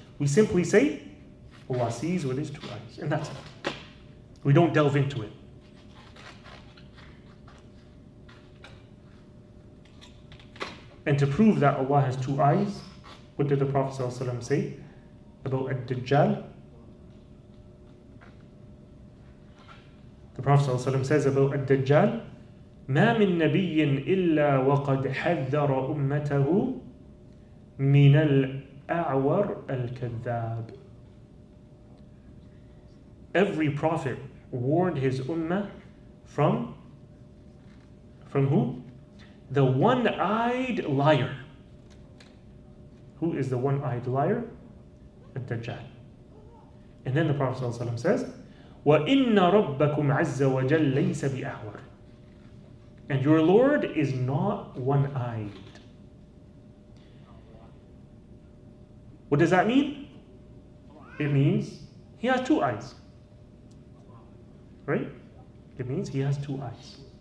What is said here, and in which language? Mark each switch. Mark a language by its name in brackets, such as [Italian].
[English] We simply say, Allah sees with His two eyes. And that's it. We don't delve into it. And to prove that Allah has two eyes, what did the Prophet ﷺ say about Ad-Dajjal? The Prophet ﷺ says about Ad-Dajjal, [Arabic] مَا مِن نَبِيٍّ إِلَّا وَقَدْ حَذَّرَ أُمَّتَهُ مِنَ الْأَعْوَرِ الْكَذَّابِ. [English] Every prophet warned his ummah from who? The one-eyed liar. Who is the one-eyed liar? Ad-Dajjal. And then the Prophet ﷺ says, [Arabic] وَإِنَّ رَبَّكُمْ عَزَّ وَجَلْ لَيْسَ بِأَحْوَرِ. [English] And your Lord is not one-eyed. What does that mean? It means He has two eyes. Right? It means He has two eyes.